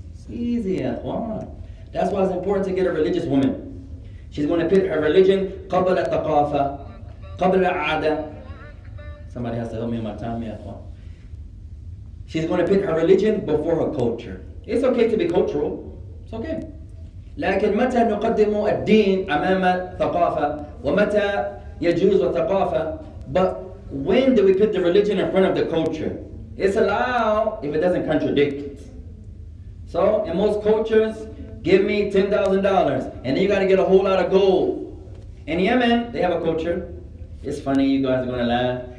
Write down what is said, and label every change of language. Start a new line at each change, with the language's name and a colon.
English: Easy, ikhwan. That's why it's important to get a religious woman. She's going to pick her religion
Arabic: qabla taqafa, qabla ada.
English: Somebody has to help me in my time, yeah. She's going to pick her religion before her culture. It's okay to be cultural. It's okay.
Arabic: لكن متى نقدم الدين أمام الثقافة ومتى يجوز الثقافة.
English: But when do we put the religion in front of the culture? It's allowed if it doesn't contradict. So in most cultures, give me $10,000, and then you got to get a whole lot of gold. In Yemen, they have a culture. It's funny, you guys are going to laugh.